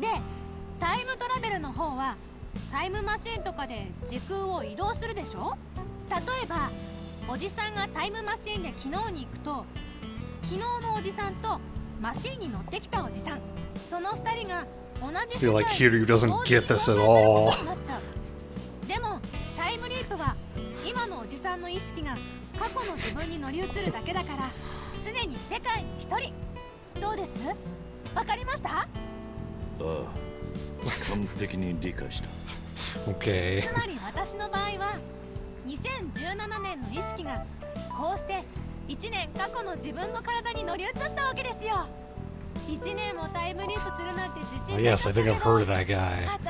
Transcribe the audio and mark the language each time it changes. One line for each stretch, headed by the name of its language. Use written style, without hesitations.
Japanese: で、タイムトラベルの方はタイムマシンとかで時空を移動するでしょ。例えばおじさんがタイムマシンで昨日に行くと、昨日のおじさんとマシンに乗ってきたおじさん、その二人が同じ世界。
English: I feel like Kiryu doesn't get this at all.
Japanese: でもタイムリープは今のおじさんの意識が過去の自分に乗り移るだけだから、常に世界に一人。どうです、わかりました。ああ、完璧に理解した。
English: OK。
Japanese: つまり私の場合は2017年の意識がこうして1年過去の自分の体に乗り移ったわけですよ。
English: Yes, I think I've heard of that guy.